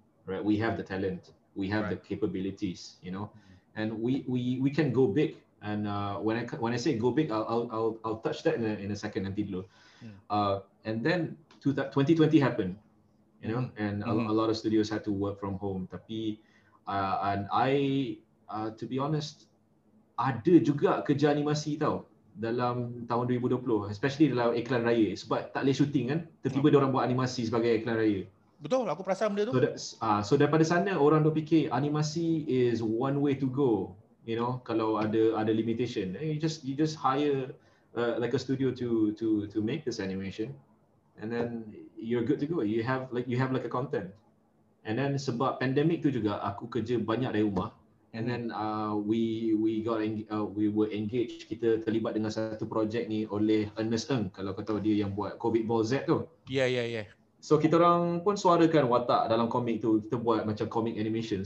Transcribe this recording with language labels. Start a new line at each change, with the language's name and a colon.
English: Right, we have the talent. We have the capabilities, you know, and we can go big. And when I say go big, I'll touch that in a second,
Malay: nanti dulu.
English: And then 2020 happened, you know, and a lot of studios had to work from home.
Malay: Tapi,
English: and I, to be honest,
Malay: ada juga kerja animasi tau dalam tahun 2020,
English: especially
Malay: dalam iklan raya. Sebab tak boleh shooting kan, tiba-tiba diorang buat animasi sebagai iklan raya. Betul, aku perasan benda tu.
English: So
Malay: daripada sana orang dah fikir animasi
English: is one way to go, you know,
Malay: kalau ada
English: limitation. You just hire like a studio to make this animation and then you're good to go. You have like a content. And then
Malay: sebab pandemic tu juga aku kerja banyak dari rumah.
English: And then we were engaged,
Malay: kita terlibat dengan satu projek ni oleh Ernest Ng, kalau kau tahu dia yang buat COVID Ball Z tu.
English: Yeah.
Malay: So kita orang pun suarakan watak dalam komik tu, kita buat macam komik animation.